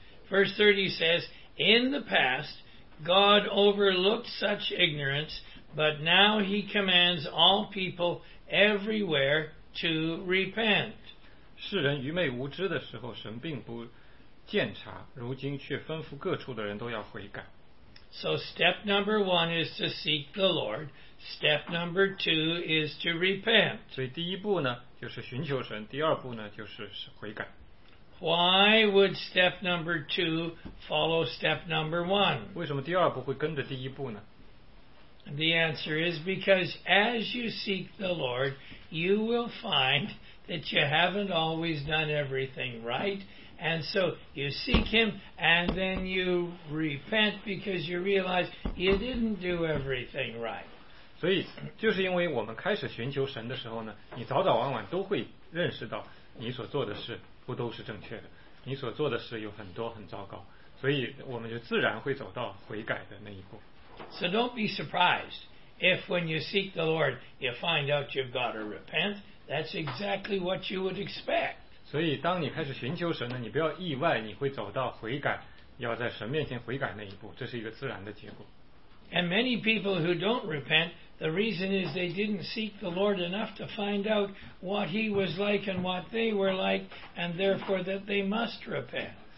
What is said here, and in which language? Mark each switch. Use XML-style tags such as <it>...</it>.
<en>Verse 30 says, In the past, God overlooked such ignorance, but now he commands all people everywhere to repent.</en> <zh>世人愚昧无知的时候神并不鉴察如今却吩咐各处的人都要悔改。</zh> <en>So step number one is to seek the Lord. Step number two is to repent.</en> <zh>所以第一步呢就是寻求神第二步呢就是悔改</zh> <en>Why would step number two follow step number one?</en> <zh>为什么第二步会跟着第一步呢</zh> <en>The answer is because as you seek the Lord, you will find that you haven't always done everything right. And so you seek him and then you repent because you realize you didn't do everything right.</en> <zh>所以就是因为我们开始寻求神的时候呢，你早早晚晚都会认识到你所做的事不都是正确的，你所做的事有很多很糟糕，所以我们就自然会走到悔改的那一步。So</zh> <en>don't be surprised if when you seek the Lord, you find out you've got to repent. That's exactly what you would expect.</en> <zh>所以当你开始寻求神呢，你不要意外，你会走到悔改，要在神面前悔改那一步，这是一个自然的结果。</zh> <en>And many people who don't repent, the reason is they didn't seek the Lord enough to find out what he was like and what they were like, and therefore that they must repent.</en>